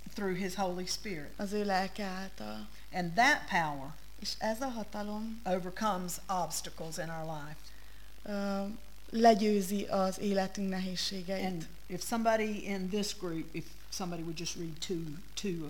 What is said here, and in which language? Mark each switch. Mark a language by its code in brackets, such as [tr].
[en] through his Holy Spirit. [hu] Az ő lelke által. [en] And that power, [hu] és ez a hatalom, [en] overcomes obstacles in our life. [hu] Legyőzi az életünk nehézségeit. [en] And if somebody in this group, if somebody would just read two of